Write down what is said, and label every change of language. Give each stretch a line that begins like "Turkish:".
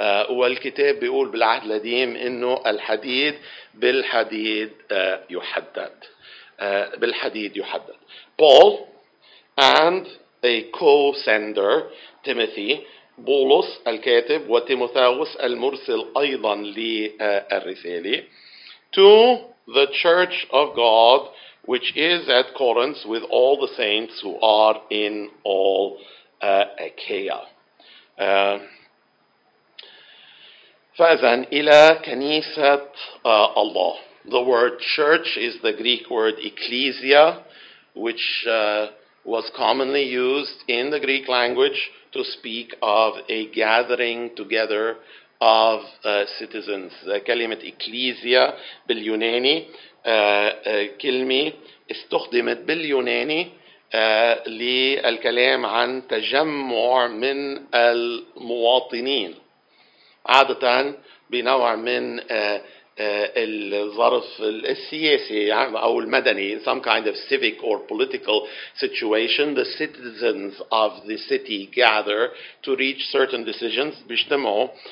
Arabic: والكتاب بيقول بالعهد القديم إنه الحديد بالحديد يحدد. بالحديد يحدد.
English: Paul and a co-sender, Timothy,
Arabic: بولس الكاتب وتيموثاوس المرسل أيضا للرسالة.
English: To the church of God which is at Corinth with all the saints who are in all Achaia.
Arabic: فإذن إلى كنيسة الله.
English: The word church is the Greek word ecclesia, which was commonly used in the Greek language to speak of a gathering together of citizens.
Arabic: كلمة ecclesia باليوناني كلمة استخدمت باليوناني للكلام عن تجمع من المواطنين عادة بنوع من الظرف السياسي أو المدني
English: in some kind of civic or political situation the citizens of the city gather to reach certain decisions
Arabic: بيجتمعوا